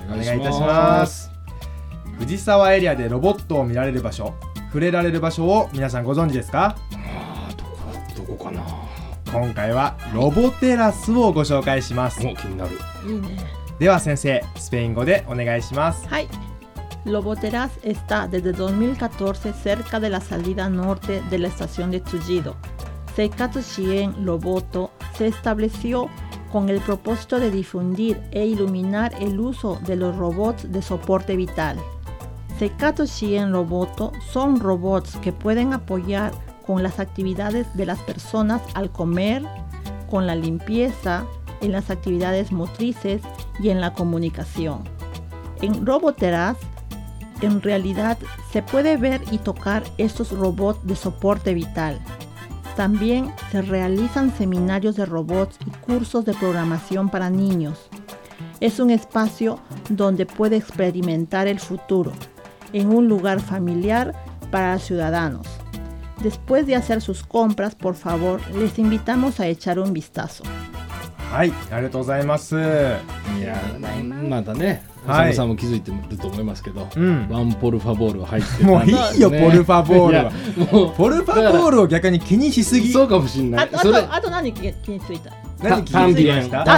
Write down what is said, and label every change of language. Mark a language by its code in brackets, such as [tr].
[ja] お願いいたします。藤沢エリアでロボットを見られる場所、触れられる場所を皆さんご存知ですか？どこかな。今回はロボテラスをご紹介します。お、気になる。いいね。では先生、スペイン語でお願いします。はい。 [es] ロボテラス está desde 2014 cerca de la salida norte de la estación de Tullido. 生活支援ロボット se estableció con el propósito de difundir e iluminar el uso de los robots de soporte vital. 生活支援ロボット son robots que pueden apoyar con las actividades de las personas al comer, con la limpieza, en las actividades motrices y en la comunicación. En Roboteras, en realidad se puede ver y tocar estos robots de soporte vital. También se realizan seminarios de robots y cursos de programación para niños. Es un espacio donde puede experimentar el futuro, en un lugar familiar para ciudadanos. Después de hacer sus compras, por favor, les invitamos a echar un vistazo. [ja] はい、ありがとうございます。いや、まだね、はい、おさむさんも気づいてると思いますけど、うん、ワンポルファボールが入ってる。もういいよ、ポルファボールは。もうポルファボールを逆に気にしすぎ。そうかもしれない。あと何気についた？何気づきました？